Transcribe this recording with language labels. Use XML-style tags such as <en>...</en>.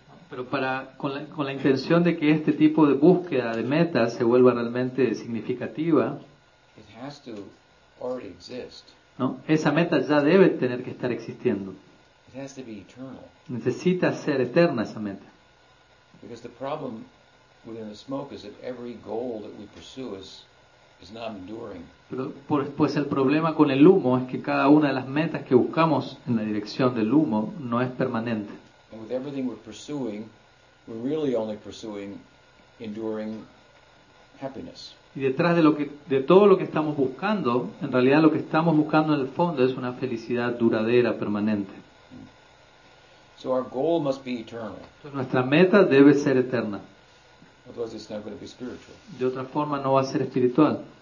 <es>Pero con la intención de que este tipo de búsqueda de metas se vuelva realmente significativa,</es> <en>it has to already exist.</en> <es>¿No? Esa meta ya debe tener que estar existiendo.</es> <en>It has to be eternal.</en> <es>Necesita ser eterna esa meta. Porque el problema</es> <en>within the smoke is that every goal that we pursue is not enduring.</en> <es>Pues el problema con el humo es que cada una de las metas que buscamos en la dirección del humo no es permanente.</es> <en>And with everything we're pursuing, we're really only pursuing enduring happiness.</en> <es>Y detrás de todo lo que estamos buscando, en realidad lo que estamos buscando en el fondo es una felicidad duradera, permanente.</es> <en>So our goal must be eternal.</en> <es>Entonces nuestra meta debe ser eterna.</es> <en>Otherwise it's not going to be spiritual.</en> <es>De otra forma no va a ser espiritual.</es>